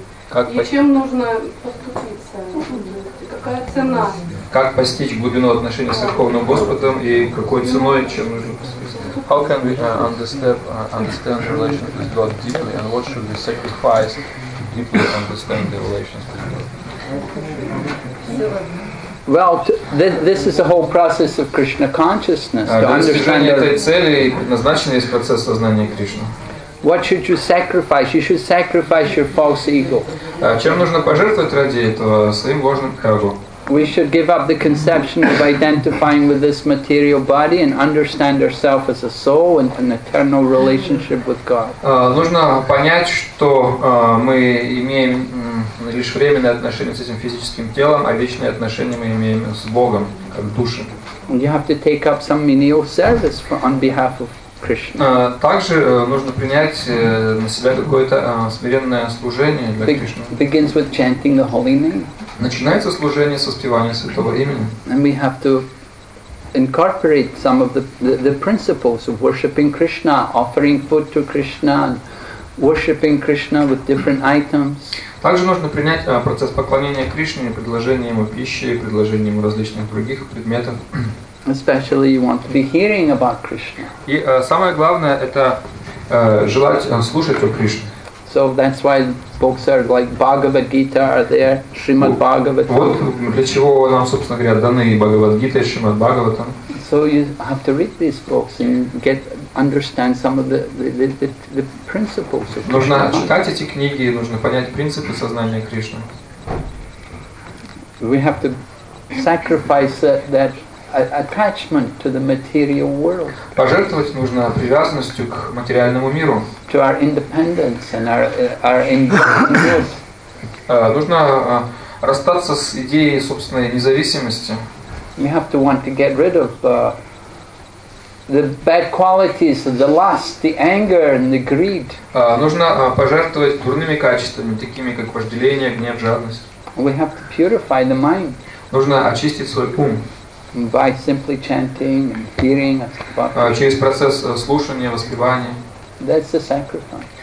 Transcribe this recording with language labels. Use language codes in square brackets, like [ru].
[ru] Как и чем нужно поступиться? Какая цена? Как постичь глубину отношений с Верховным Господом и какой ценой, чем нужно поступиться? [en] How can we understand relations with God deeply and what should we sacrifice to deeply understand the relations with God? Well, this is the whole process of Krishna consciousness. [ru] Достижение этой цели предназначено из процесса сознания Кришны. [en] What should you sacrifice? You should sacrifice your false ego. [ru] Чем нужно пожертвовать ради этого? Своим ложным эго. [en] We should give up the conception of identifying with this material body and understand ourselves as a soul and an eternal relationship with God. [ru] Нужно понять, что мы имеем лишь временные отношения с этим физическим телом, а вечные отношения мы имеем с Богом, как души. [en] And you have to take up some menial service on behalf of Krishna. [ru] Также нужно принять на себя какое-то смиренное служение для Кришны. [en] Begins with chanting the holy name. [ru] Начинается служение со спевания святого имени. [en] And we have to incorporate some of the principles of worshiping Krishna, offering food to Krishna, worshiping Krishna with different items. [ru] Также нужно принять процесс поклонения Кришне, предложение ему пищи, предложение ему различных других предметов. [en] Especially you want to be hearing about Krishna. [ru] И самое главное это желать слушать о Кришне. [en] So that's why books are like Bhagavad Gita are there, Shrimad Bhagavatam. [ru] Вот для чего нам, собственно говоря, даны Бхагавад Гита и Шримад Бхагаватам. [en] So you have to read these books and understand some of the principles of Krishna. [ru] Нужно читать эти книги, нужно понять принципы сознания Кришны. [en] We have to sacrifice that attachment to the material world. [ru] Пожертвовать нужно привязанностью к материальному миру. [en] To our independence and our independence. [ru] Нужно расстаться с идеей собственной независимости. [en] You have to want to get rid of the bad qualities, the lust, the anger, and the greed. [ru] Нужно пожертвовать дурными качествами, такими как вожделение, гнев, жадность. [en] We have to purify the mind. [ru] Нужно очистить свой ум. [en] By simply chanting and hearing about Krishna. [ru] Через процесс слушания, воспевания. [en] That's the sacrifice.